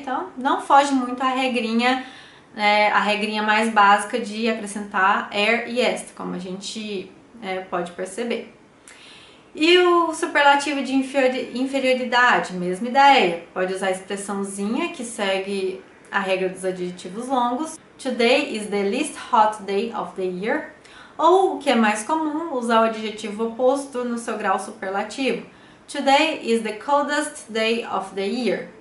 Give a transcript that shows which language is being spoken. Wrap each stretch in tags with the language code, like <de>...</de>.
<pt>Então, não foge muito a regrinha mais básica de acrescentar air e est, como a gente pode perceber. E o superlativo de inferioridade, mesma ideia, pode usar a expressãozinha que segue a regra dos adjetivos longos.</pt> <en>Today is the least hot day of the year.</en> <pt>Ou, o que é mais comum, usar o adjetivo oposto no seu grau superlativo.</pt> <en>Today is the coldest day of the year.</en>